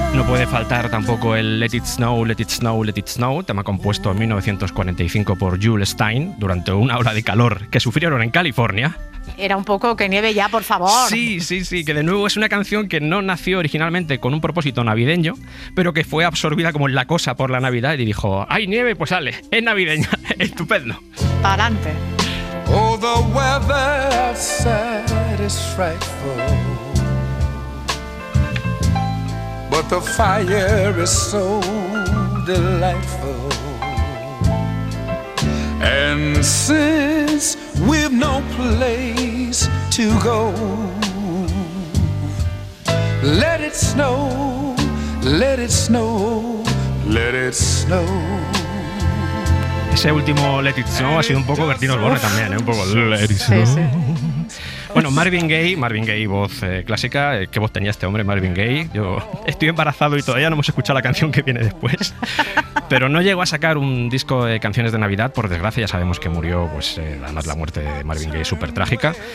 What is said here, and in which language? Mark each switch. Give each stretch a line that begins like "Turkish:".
Spanish: Puede faltar tampoco el Let It Snow, Let It Snow, Let It Snow, tema compuesto en 1945 por Jules Stein durante una ola de calor que sufrieron en California. Era un poco que nieve ya, por favor. Sí, sí, sí, que de nuevo es una canción que no nació originalmente con un propósito navideño, pero que fue absorbida como en la cosa por la Navidad y dijo: ¡hay nieve! Pues sale, es navideña, estupendo. Para adelante.
English: Oh, the weather is frightful. But the fire is so delightful. And since we've no place to go, let it snow, let it snow, let it snow.
Spanish: Ese último Let It Snow ha sido un poco Bertín Osborne también, ¿eh? Un poco Let It Snow. Sí, sí. Bueno, Marvin Gaye, voz clásica. ¿Qué voz tenía este hombre, Marvin Gaye? Yo estoy embarazado y todavía no hemos escuchado la canción que viene después. Pero no llegó a sacar un disco de canciones de Navidad, por desgracia. Ya sabemos que murió, pues, además, la muerte de Marvin Gaye, súper trágica.